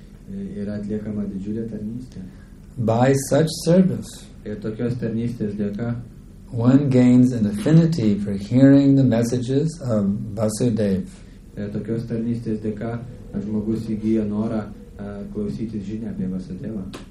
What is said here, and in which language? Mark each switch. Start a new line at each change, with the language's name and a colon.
Lithuanian: Yra atliekama didžiulė tarnystė.
English: By such service,
Lithuanian: ir tokios tarnystės dėka,
English: one gains an affinity for hearing the messages of Vasudev.
Lithuanian: Ir tokios tarnystės dėka, žmogus įgyja norą klausyti žinią apie Vasudevą.